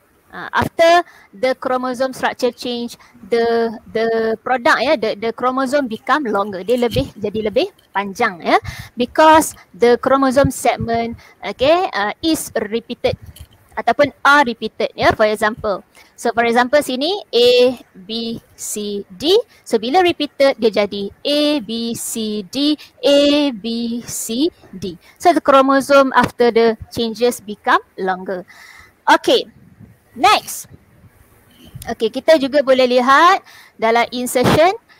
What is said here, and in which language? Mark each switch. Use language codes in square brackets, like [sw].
[en] Ah, after the chromosome structure change, the product ya, the chromosome become longer. [ms] Dia lebih jadi lebih panjang ya. [en] Because the chromosome segment okay, is repeated ataupun are repeated ya. For example. So for example sini A, B, C, D. [ms] So bila repeated dia jadi A, B, C, D, A, B, C, D. [en] So the chromosome after the changes become longer. Okay, next. [ms] Okay, kita juga boleh lihat dalam insertion.